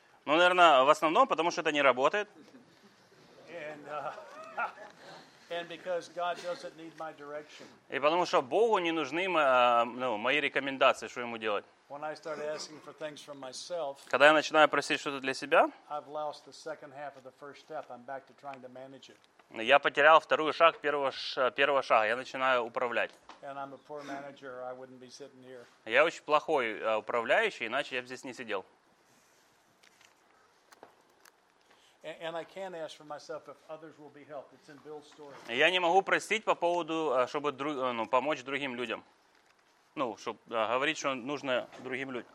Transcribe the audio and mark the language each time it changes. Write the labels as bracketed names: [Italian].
[Russian] Ну, наверное, в основном, потому что это не работает. [English] And because God doesn't need my direction. [Russian] И потому что Богу не нужны мои рекомендации, что ему делать. [English] When I start asking for things from myself, [Russian] когда я начинаю просить что-то для себя, [English] I've lost the second half of the first step. I'm back to trying to manage it. [Russian] Я потерял второй шаг первого шага. Я начинаю управлять. [English] And I'm a poor manager, or I wouldn't be sitting here. [Russian] Я очень плохой управляющий, иначе я бы здесь не сидел. [English] And I can ask for myself if others will be helped. It's in Bill's story. [Russian] Я не могу просить по поводу, чтобы помочь другим людям. Ну, чтобы говорить, что нужно другим людям.